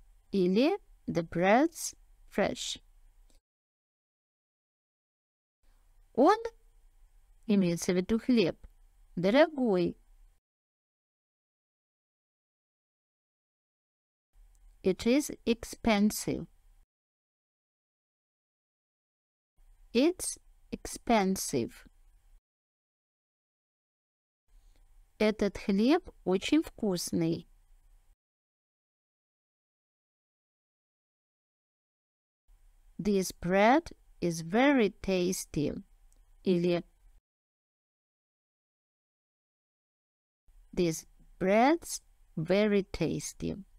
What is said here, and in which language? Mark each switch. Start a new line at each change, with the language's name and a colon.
English: Или the bread's fresh.
Russian: Он, имеется в виду хлеб, дорогой.
English: It is expensive. It's expensive.
Russian: Этот хлеб очень вкусный.
English: This bread is very tasty. Или this bread's very tasty.